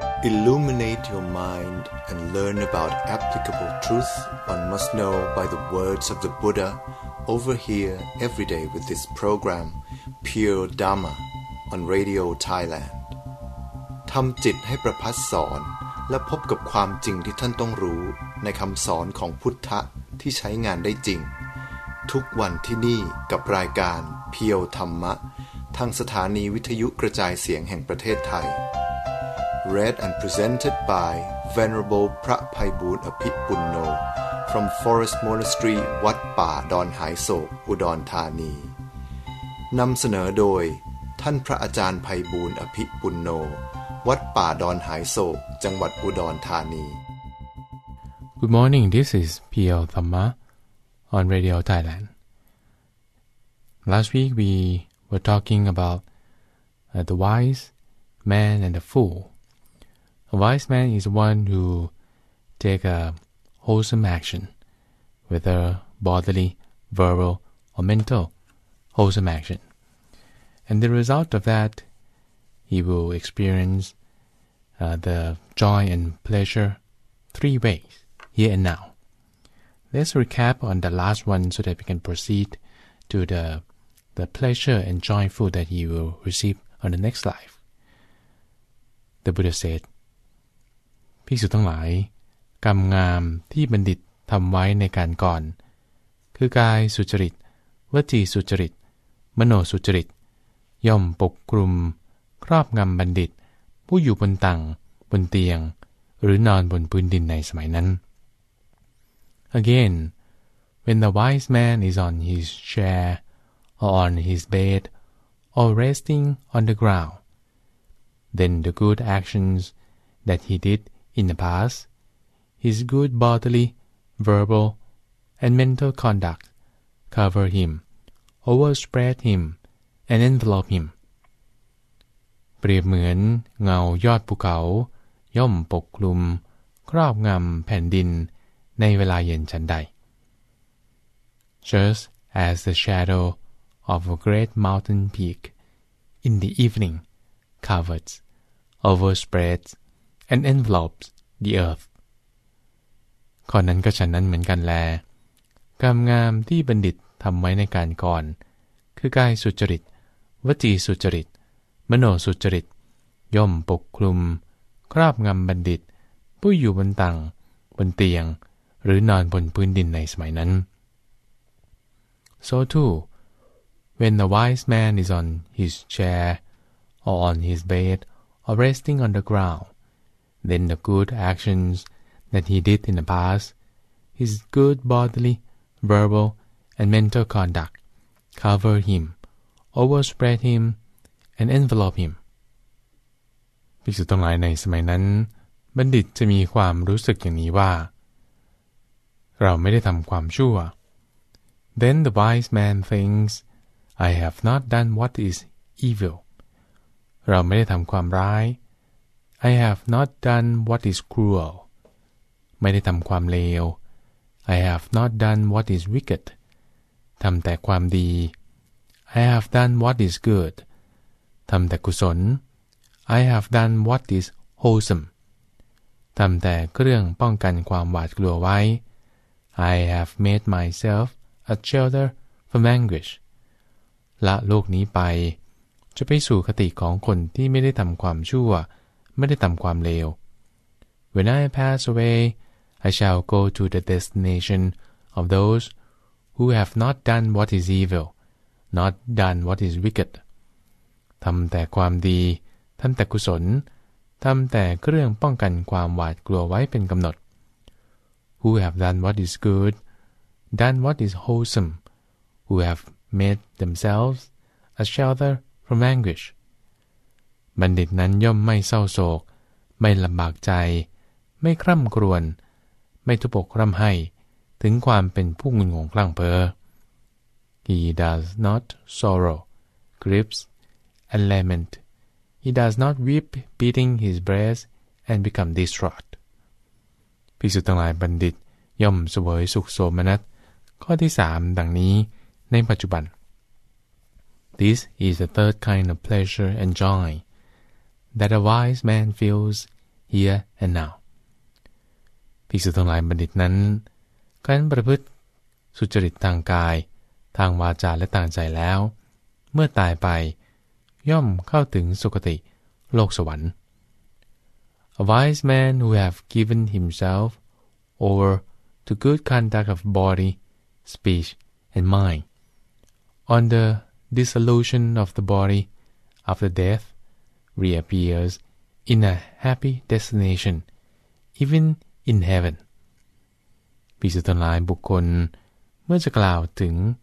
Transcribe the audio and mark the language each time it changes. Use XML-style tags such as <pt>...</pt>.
<en>Illuminate your mind and learn about applicable truth one must know by the words of the Buddha over here every day with this program, Pure Dharma, on Radio Thailand.</en> <th>ทำจิตให้ประพัสสอนและพบกับความจริงที่ท่านต้องรู้ในคำสอนของพุทธะที่ใช้งานได้จริงทุกวันที่นี่กับรายการเพียวธรรมะทางสถานีวิทยุกระจายเสียงแห่งประเทศไทย</th> <en>Read and presented by Venerable พระไพบูลย์อภิปุณโญ from Forest Monastery วัดป่าดอนหายโศกอุดรธานี</en> <th>นำเสนอโดยท่านพระอาจารย์ไพบูลย์อภิปุณโญวัดป่าดอนหายโศกจังหวัดอุดรธานี</th> <en>Good morning, this is Pio Thamma on Radio Thailand. Last week we were talking about the wise man and the fool. A wise man is one who take a wholesome action, whether bodily, verbal, or mental wholesome action. And the result of that, he will experienceThe joy and pleasure three ways, here and now. Let's recap on the last one so that we can proceed to the pleasure and joyful that he will receive on the next life. The Buddha said,</en> <th>ภิกษุทั้งหลายกรรมงามที่บัณฑิตทำไว้ในการก่อน คือกายสุจริตวจีสุจริตมโนสุจริตย่อมปกคลุมครอบงำบัณฑิตผู้อยู่บนตังบนเตียงหรือนอนบนพื้นดินในสมัยนั้น</th> <en>Again, when the wise man is on his chair or on his bed or resting on the ground, then the good actions that he did in the past, his good bodily, verbal, and mental conduct cover him, overspread him, and envelop him.</en> <th>เปรียบเหมือนเงายอดภูเขาย่อมปกคลุมครอบงำแผ่นดินในเวลาเย็นฉันใด</th> <en>Just as the shadow of a great mountain peak in the evening covers, overspreads, and envelops the earth.</en> <th>ข้อนั้นก็ฉันนั้นเหมือนกันแลกรรมงามที่บัณฑิตทำไว้ในการก่อนคือกายสุจริตวจีสุจริตมโนสุจริตย่อมปกคลุมครอบงำบัณฑิตผู้อยู่บนตังบนเตียงหรือนอนบนพื้นดินในสมัยนั้น</th> <en>So too, when the wise man is on his chair or on his bed or resting on the ground, then the good actions that he did in the past, his good bodily, verbal, and mental conduct cover him, overspread himand envelop him.</en> <th>ภิกษุทั้งหลายในสมัยนั้นบัณฑิตจะมีความรู้สึกอย่างนี้ว่าเราไม่ได้ทำความชั่ว</th> <en>Then the wise man thinks, I have not done what is evil.</en> <th>เราไม่ได้ทำความร้าย</th> <en>I have not done what is cruel.</en> <th>ไม่ได้ทำความเลว</th> <en>I have not done what is wicked.</en> <th>ทำแต่ความดี</th> <en>I have done what is good.</en> <th>ทำแต่กุศล</th> <en>I have done what is wholesome</en> <th>ทำแต่เรื่องป้องกันความหวาดกลัวไว้</th> <en>I have made myself a shelter from anguish</en> <th>ละโลกนี้ไปจะไปสู่คติของคนที่ไม่ได้ทำความชั่วไม่ได้ทำความเลว</th> <en>When I pass away I shall go to the destination of those who have not done what is evil not done what is wicked</en> <th>ทำแต่ความดีทำแต่กุศลทำแต่เรื่องป้องกันความหวาดกลัวไว้เป็นกำหนด</th> <en>Who have done what is good, done what is wholesome, who have made themselves a shelter from anguish.</en> <th>บัณฑิตนั้นย่อมไม่เศร้าโศกไม่ลำบากใจไม่คร่ำครวญไม่ทุบอกร่ำไห้ถึงความเป็นผู้งุนงงคลั่งเพ้อ</th> <en>He does not sorrow, grieves,and lament. He does not weep, beating his breast, and become distraught.</en> <th>ภิกษุทั้งหลายบัณฑิตย่อมเสวยสุขโสมนัสข้อที่สามดังนี้ในปัจจุบัน</th> <en>This is the third kind of pleasure and joy that a wise man feels here and now</en> <th>ภิกษุทั้งหลายบัณฑิตนั้นกันประพฤติสุจริตทางกายทางวาจาและทางใจแล้วเมื่อตายไปย่อมเข้าถึงสุคติโลกสวรรค์</th> <en>A wise man who have given himself over to good conduct of body, speech, and mind on the dissolution of the body after death reappears in a happy destination even in heaven</en> <th>ภิกษุทั้งหลายบุคคลเมื่อจะกล่าวถึง</th>